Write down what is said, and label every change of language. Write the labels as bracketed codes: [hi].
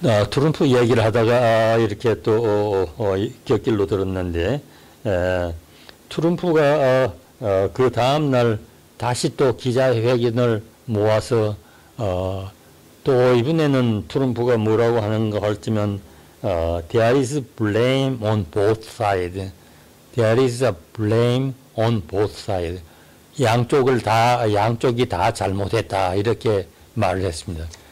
[ko] 트럼프 얘기를 하다가 이렇게 또 곁길로 들었는데 트럼프가 그 다음 날 다시 또 기자회견을 모아서 또 이번에는 트럼프가 뭐라고 하는 거 할지만 [en] There is blame on both sides. There is a blame on both sides. [ko] 양쪽이 다 잘못했다 이렇게 말을 했습니다.